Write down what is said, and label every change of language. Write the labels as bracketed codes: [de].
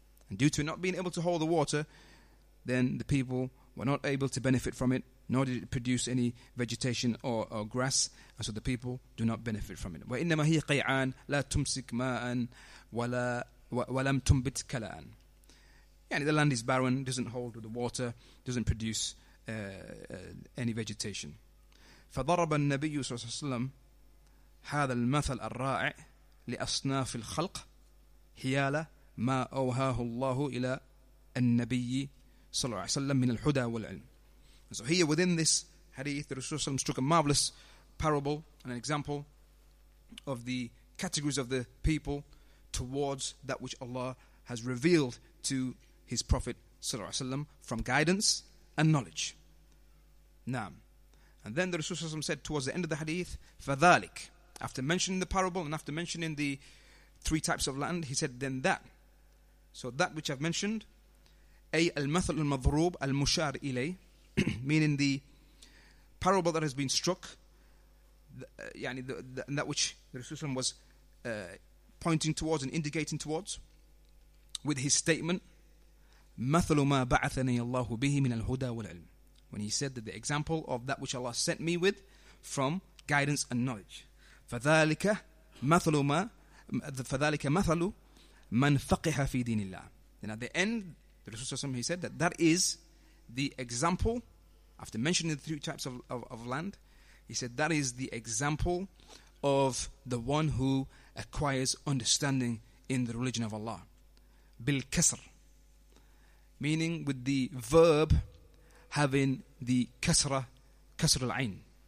[en] And due to it not being able to hold the water, then the people were not able to benefit from it, nor did it produce any vegetation or grass, and so the people do not benefit from it. [ar] وَإِنَّمَا هِيَ قَيْعَانْ لَا تُمْسِكْ مَاءً وَلَمْ تُمْبِتْ كَلَأً. [en] Yani the land is barren, doesn't hold the water, doesn't produce any vegetation. [ar] فَضَرَبَ النَّبِيُّ صَلَّى اللَّهُ عَلَيْهِ وَسَلَّمَ هذا المثل الرائع لأصناف الخلق حيال ما أوهاه الله إلى النبي صلى الله عليه وسلم من الحدى والعلم. [en] So here within this hadith, the Rasulullah struck a marvelous parable and an example of the categories of the people towards that which Allah has revealed to His Prophet صلى الله عليه وسلم from guidance and knowledge. Naam. And then the Rasulullah said towards the end of the hadith, فذلك. After mentioning the parable and after mentioning the three types of land, he said, then that. So that which I've mentioned, [ar] أي المثل المضروب المشار إليه, [en] meaning the parable that has been struck, that which the Rasulullah was pointing towards and indicating towards with his statement, [ar] مثل ما بعثني الله به من الهدى والعلم. [en] When he said that the example of that which Allah sent me with from guidance and knowledge. [ar] فذلك مثل ما فذلك مثل من فقه في دين الله. [en] And at the end, the Rasulullah he said that is the example, after mentioning the three types of land, he said that is the example of the one who acquires understanding in the religion of Allah. بالكسر, meaning with the verb having the كسرة, كسر العين.